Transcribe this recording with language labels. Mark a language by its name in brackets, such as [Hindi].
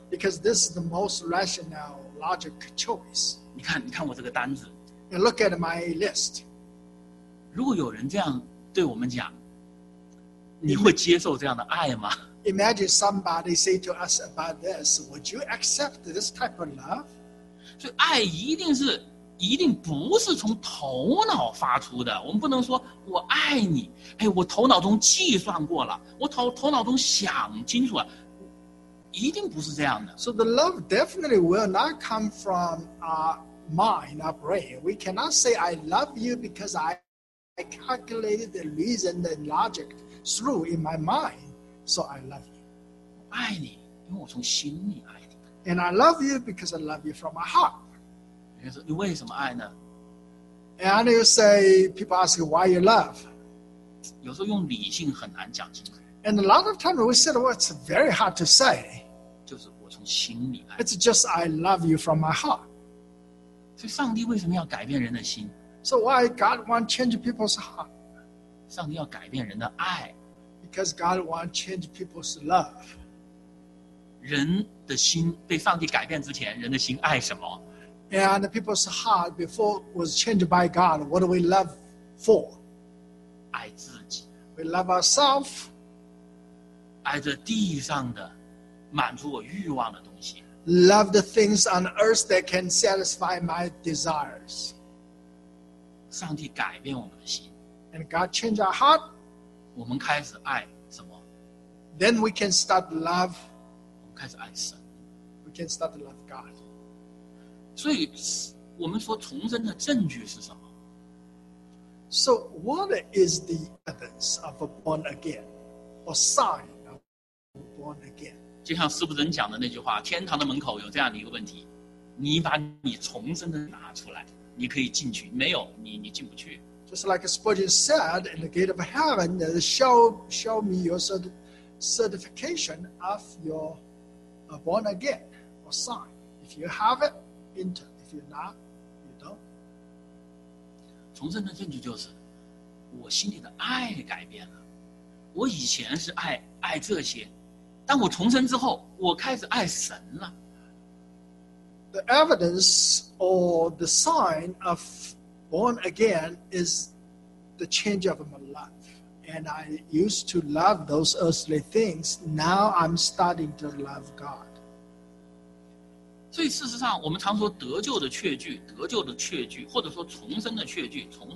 [English] Because this is the most rational, logic choice. [Chinese] 你看我这个单子。 [English] And look at my list. [Chinese] 如果有人这样对我们讲，你会接受这样的爱吗？ [English] Imagine somebody say to us about this, would you accept this type of love? [Chinese] 所以爱一定不是从头脑发出的。我们不能说我爱你，哎，我头脑中计算过了，我头脑中想清楚了，一定不是这样的。 [English] So the love definitely will not come from our mind, our brain. We cannot say I love you because I calculated the reason and logic through in my mind. So I love you. [Chinese] 爱你，因为我从心里爱你。 [English] And I love you because I love you from my heart. [Chinese] 你为什么爱呢？ [English] And you say, people ask you why you love. [Chinese] 有时候用理性很难讲清楚。 [English] And a lot of times we said, well, it's very hard to say. [Chinese] 就是我从心里爱。 [English] It's just I love you from my heart. [Chinese] 所以上帝为什么要改变人的心？ [English] So why God want to change people's heart? [Chinese] 上帝要改变人的爱。 [English] Because God wants to change people's love. [Chinese] 人的心被上帝改变之前，人的心爱什么？ [English] And people's heart before was changed by God, what do we love for? [Chinese] 爱自己。 [English] We love ourselves. [Chinese] 爱着地上的，满足我欲望的东西。 [English] Love the things on earth that can satisfy my desires. [Chinese] 上帝改变我们的心。 [English] And God changed our heart. [Chinese] 我们开始爱什么？ [English] Then we can start love. [Chinese] 我们开始爱神。 [English] We can start love God. [Chinese] 所以，我们说重生的证据是什么？ [English] So what is the evidence of a born again, or sign of a born again? [Chinese] 就像斯普森讲的那句话，天堂的门口有这样的一个问题：你把你重生的拿出来，你可以进去；没有，你进不去。 [English] Just like Spurgeon said, in the gate of heaven, show me your certification of your born again or sign. If you have it, enter. If you're not, you don't. [Chinese] 重生的证据就是我心里的爱改变了。我以前是爱这些，但我重生之后，我开始爱神了。 [English] The evidence or the sign of born again is the change of my life. And I used to love those earthly things. Now I'm starting to love God. [Chinese] 所以事实上我们常说得救的确据或者说重生的确据。